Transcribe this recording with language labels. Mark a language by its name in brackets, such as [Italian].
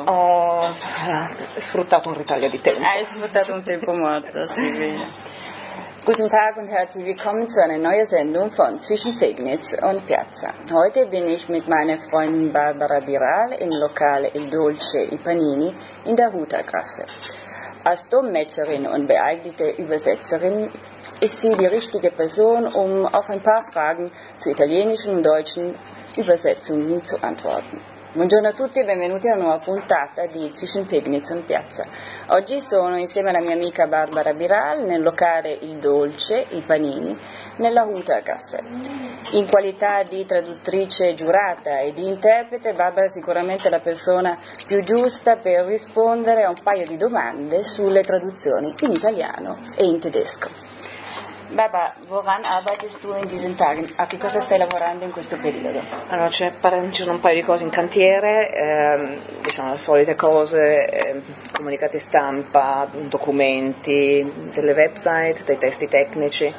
[Italian] Ho sfruttato un ritaglio di tempo. Hai sfruttato un tempo morto, sì, bene. [German] Guten Tag und herzlich willkommen zu einer neuen Sendung von Zwischen Pegnitz und Piazza. Heute bin ich mit meiner Freundin Barbara Biral im Lokal Il Dolce I Panini in der Hutergasse. Als Dolmetscherin und beeidigte Übersetzerin ist sie die richtige Person, um auf ein paar Fragen zu italienischen und deutschen Übersetzungen zu antworten. [Italian] Buongiorno a tutti e benvenuti a una nuova puntata di Zwischen Pegnitz und Piazza. Oggi sono insieme alla mia amica Barbara Biral nel locale Il Dolce, I Panini, nella Hutergasse. In qualità di traduttrice giurata e di interprete, Barbara è sicuramente la persona più giusta per rispondere a un paio di domande sulle traduzioni in italiano e in tedesco. [German] Baba, woran arbeitest du in diesen Tagen? [Italian] A che cosa stai lavorando in questo periodo? Allora, ci sono un paio di cose in cantiere, diciamo le solite cose, comunicati stampa, documenti, delle website, dei testi tecnici.